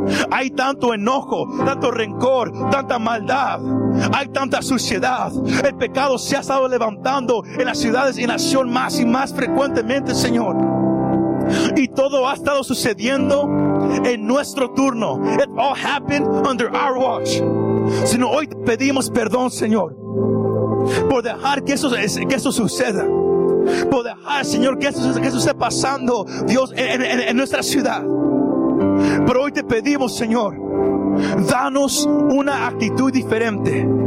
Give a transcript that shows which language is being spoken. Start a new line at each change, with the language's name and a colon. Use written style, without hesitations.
Spanish: Hay tanto enojo, tanto rencor, tanta maldad. Hay tanta suciedad. El pecado se ha estado levantando en las ciudades y nación más y más frecuentemente, Señor. Y todo ha estado sucediendo en nuestro turno.
English: It all happened under our watch.
Spanish: Sino hoy te pedimos perdón, Señor, por dejar que eso suceda. Por dejar, Señor, que eso esté pasando, Dios, en nuestra ciudad. Pero hoy te pedimos, Señor, danos una actitud diferente.